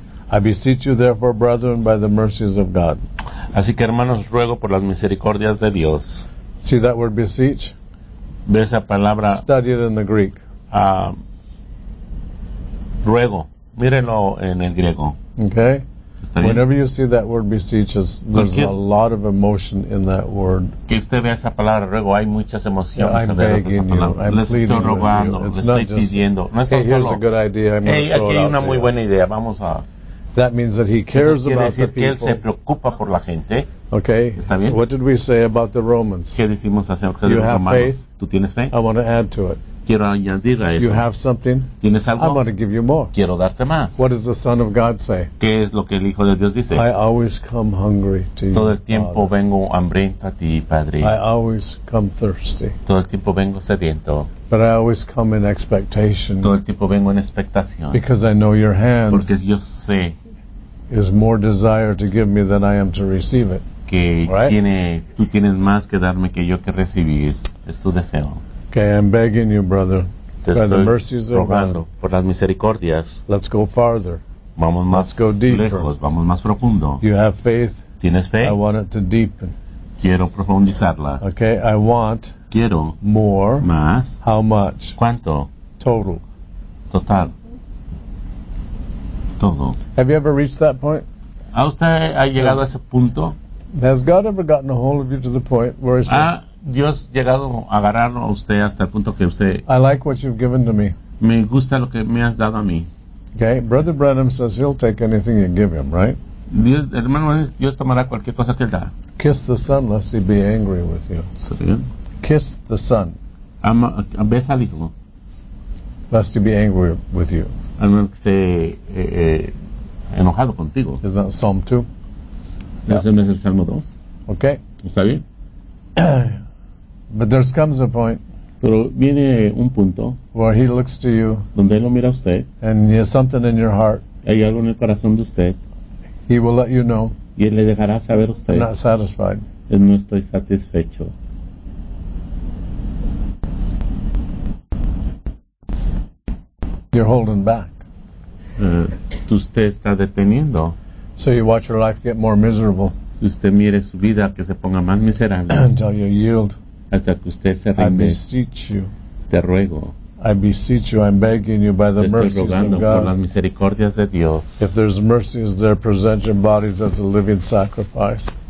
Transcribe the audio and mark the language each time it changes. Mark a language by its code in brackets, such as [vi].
[en] I beseech you, therefore, brethren, by the mercies of God. [es] Así que, hermanos, ruego por las misericordias de Dios. [en] See that word beseech? [es] Ve esa palabra. [en] Study it in the Greek. [es] Ruego. Mírenlo en el griego. [en] Okay. Whenever you see that word beseech, there's a lot of emotion in that word. [es] Que usted vea esa palabra, ruego, hay muchas emociones. [en] I'm begging you, I'm pleading with you. It's not just, hey, here's a good idea, I'm going to throw it out there. [es] Hey, aquí hay una muy buena idea, vamos a... [en] That means that he cares about the people. [es] Que él se preocupa por la gente. [en] Okay. [es] ¿Está bien? [en] What did we say about the Romans? [es] ¿Qué decimos acerca de los romanos? [en] You have faith. [es] ¿Tú tienes fe? [en] I want to add to it. [es] Quiero añadir a eso. [en] You have something. [es] ¿Tienes algo? [en] I'm going to give you more. [es] Quiero darte más. [en] What does the Son of God say? [es] ¿Qué es lo que el Hijo de Dios dice? [en] I always come hungry to you. [es] Todo el tiempo [en] Father. [es] Vengo hambriento a ti, Padre. [en] I always come thirsty. [es] Todo el tiempo vengo sediento. [en] But I always come in expectation. [es] Todo el tiempo vengo en expectación. [en] Because I know your hand. [es] Porque yo sé. [en] Is more desire to give me than I am to receive it. [es] Que right? Tiene, tú tienes más que darme que yo que recibir. Es tu deseo. [en] Okay, I'm begging you, brother, by the mercies of God, [es] por las misericordias. [en] Let's go farther. [es] Vamos más [en] let's go deeper. [es] Lejos. Vamos más profundo. [en] You have faith. [es] ¿Tienes fe? [en] I want it to deepen. [es] Quiero profundizarla. [en] Okay, I want [es] quiero [en] more. [es] Más. [en] How much? [es] ¿Cuánto? [en] Total. [es] Total. Todo. [en] Have you ever reached that point? [es] ¿A usted ha llegado a ese punto? [en] Has God ever gotten a hold of you to the point where he says, [es] Dios llegado a agarrarlo a usted hasta el punto que usted. [en] I like what you've given to me. [es] Me gusta lo que me has dado a mí. [en] Okay, Brother Branham says he'll take anything you give him, right? [es] Dios, hermano, Dios tomará cualquier cosa que él da. [en] Kiss the sun, lest he be angry with you. [es] ¿Sería? [en] Kiss the sun. [es] Ama, besa al hijo. [en] Lest he be angry with you. [es] Hermano, que esté enojado contigo. [en] Is that Psalm 2? [es] ¿Ese no es el Salmo 2? [en] Okay. [es] ¿Está bien? [en] But there comes a point. [es] Pero viene un punto. [en] Where he looks to you. [es] Donde él lo mira a usted. [en] And he has something in your heart. [es] Hay algo en el corazón de usted. [en] He will let you know. [es] Y él le dejará saber a usted. [en] I'm not satisfied. [es] Yo no estoy satisfecho. [en] You're holding back. [es] Usted está deteniendo. [en] So you watch your life get more miserable. [es] Si usted mire su vida que se ponga más miserable. [en] Until you yield. [es] Hasta que usted se rinde. [en] I beseech you. [es] Te ruego. [en] I beseech you, I'm begging you by the mercies of God. [es] De Dios, [en] if there's mercies there, present your bodies as a living sacrifice.